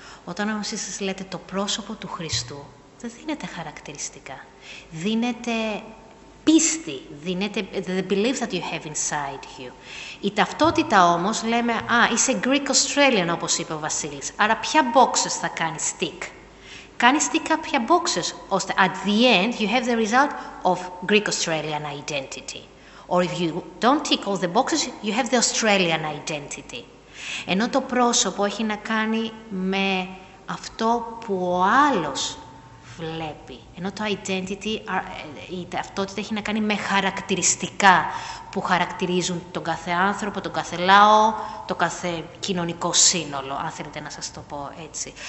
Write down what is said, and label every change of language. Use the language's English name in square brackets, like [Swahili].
[Greek] Όταν όμως εσείς λέτε το πρόσωπο του Χριστού, δεν δίνετε χαρακτηριστικά. Δίνετε πίστη, [English] the belief that you have inside you. [Greek] Η ταυτότητα όμως, λέμε, είσαι Greek Australian, όπως είπε ο Βασίλης, άρα ποια boxes θα κάνεις tick. Κάνεις tick κάποια boxes, ώστε [English] at the end you have the result of Greek Australian identity. Or if you don't tick all the boxes, you have the Australian identity. [Greek] Ενώ το πρόσωπο έχει να κάνει με αυτό που ο άλλος βλέπει. Ενώ το identity, η ταυτότητα έχει να κάνει με χαρακτηριστικά που χαρακτηρίζουν τον κάθε άνθρωπο, τον κάθε λαό, το κάθε κοινωνικό σύνολο, αν θέλετε να σας το πω έτσι.